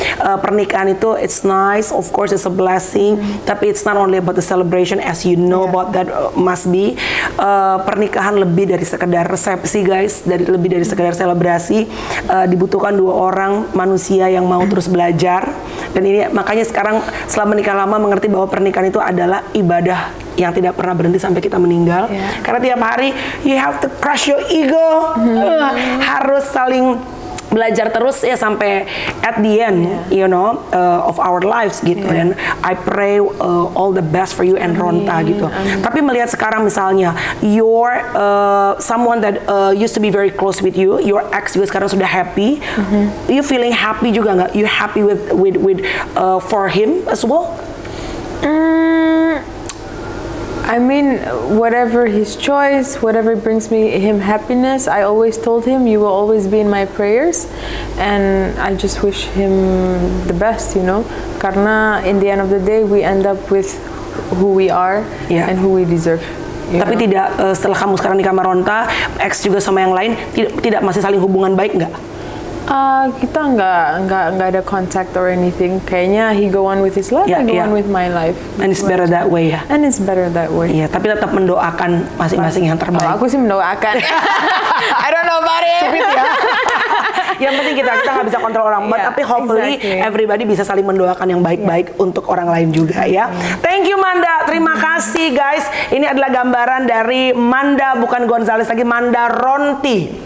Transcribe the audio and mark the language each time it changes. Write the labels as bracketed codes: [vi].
[id] Pernikahan itu [en] it's nice, of course it's a blessing, tapi it's not only about the celebration as you know about that must be. [id] Pernikahan lebih dari sekedar resepsi, guys. Lebih dari sekedar selebrasi. Dibutuhkan dua orang manusia yang mau terus belajar. Dan ini makanya sekarang setelah menikah lama mengerti bahwa pernikahan itu adalah ibadah yang tidak pernah berhenti sampai kita meninggal. Karena tiap hari [en] you have to crush your ego. [id] Harus saling belajar terus ya sampai [en] at the end, you know, of our lives gitu. Dan I pray all the best for you and Ronta gitu. [id] Tapi melihat sekarang misalnya [en] your someone that used to be very close with you, your ex [id] juga sekarang sudah [en] happy. You feeling happy [id] juga nggak? [en] You happy with for him as well? I mean, whatever his choice, whatever brings him happiness, I always told him, you will always be in my prayers, and I just wish him the best, you know, [id] karena [en] in the end of the day, we end up with who we are, and who we deserve. [id] Tapi tidak, setelah kamu sekarang di kamar Ronta, ex juga sama yang lain, tidak masih saling hubungan baik nggak? Kita nggak ada contact [en] or anything. Kayaknya he go on with his life, I go on with my life. And it's better that way ya. And it's better that way. [id] Iya, tapi tetap mendoakan masing-masing yang terbaik. Aku sih mendoakan. [en] I don't know about it. [id] Cepit ya. Yang penting kita nggak bisa kontrol orang, tapi [en] hopefully everybody [id] bisa saling mendoakan yang baik-baik untuk orang lain juga ya. [en] Thank you Manda, [id] terima kasih guys. Ini adalah gambaran dari Manda, bukan Gonzales lagi, Manda Ronti.